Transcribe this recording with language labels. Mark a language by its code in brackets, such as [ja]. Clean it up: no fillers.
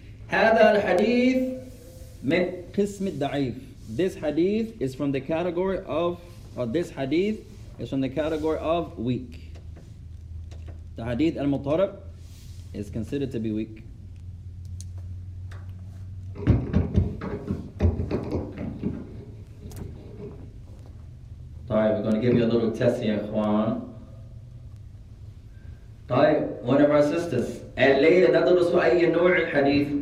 [ar] هذا الحديث من قسم الضعيف. [en] This hadith is from the category of, or this hadith is from the category of weak. The hadith al-Muttarib is considered to be weak. [ar] طيب, [en] we're going to give you a little test here, Juan. [ar] طيب, [en] one of our sisters. [ar] الليلة ندرس أي نوع الحديث.